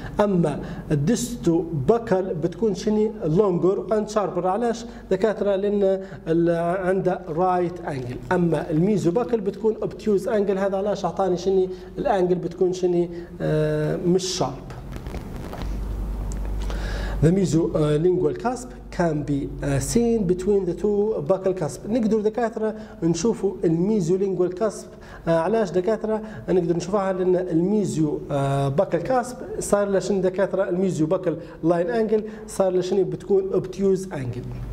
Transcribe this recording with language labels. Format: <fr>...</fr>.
<ar>اما الديستو باكل بتكون شنو؟</ar> <en>Longer and sharper.</en> <ar>علاش دكاترة؟ لان عندها</ar> <en>Right angle.</en> <ar>اما الميزو باكل بتكون</ar> <en>obtuse angle,</en> <ar>هذا علاش اعطاني شنو؟ الانجل بتكون شنو؟ مش شارب.</ar> <en>The mesiolingual cusp can be seen between the two buccal cusps.</en> <ar>نقدر دكاترة نشوفوا الميزولينجوال كاسب. علاش دكاترة نقدر نشوفها؟ لأن الميزيو باكل كاسب صار لشن دكاترة الميزيو باكل لاين أنجل صار لشن بتكون أوبتيوز أنجل.</ar>